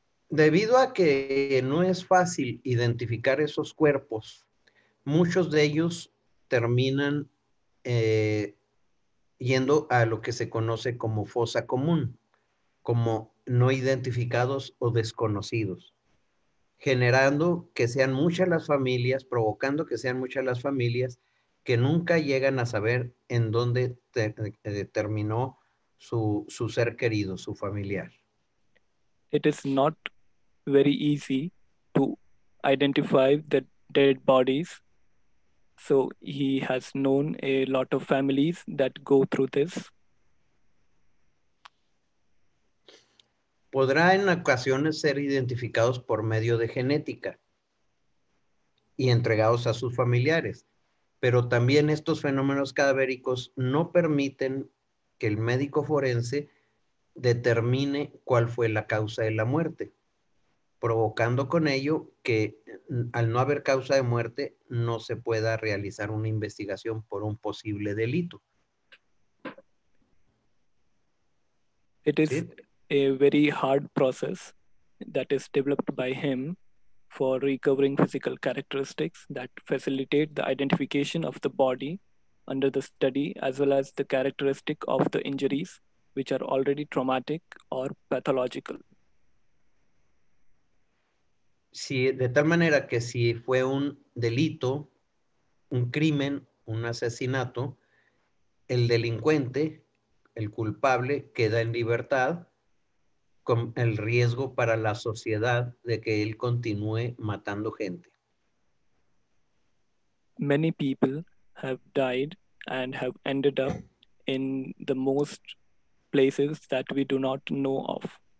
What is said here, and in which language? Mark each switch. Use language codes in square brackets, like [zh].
[es] Debido a que no es fácil identificar esos cuerpos, muchos de ellos terminan yendo a lo que se conoce como fosa común, como no identificados o desconocidos, generando que sean muchas las familias, provocando que sean muchas las familias que nunca llegan a saber en dónde terminó su ser querido, su familiar. [en] It is not very easy to identify the dead bodies. So he has known a lot of families that go through this. [es] Podrá en ocasiones ser identificados por medio de genética y entregados a sus familiares, pero también estos fenómenos cadavéricos no permiten que el médico forense determine cuál fue la causa de la muerte, provocando con ello que al no haber causa de muerte no se pueda realizar una investigación por un posible delito. [en] It is a very hard process that is developed by him for recovering physical characteristics that facilitate the identification of the body under the study as well as the characteristic of the injuries which are already traumatic or pathological. [es] Si, de tal manera que si fue un delito, un crimen, un asesinato, el delincuente, el culpable, queda en libertad con el riesgo para la sociedad de que él continúe matando gente. [en] Many people have died and have ended up in the most places that we do not know of.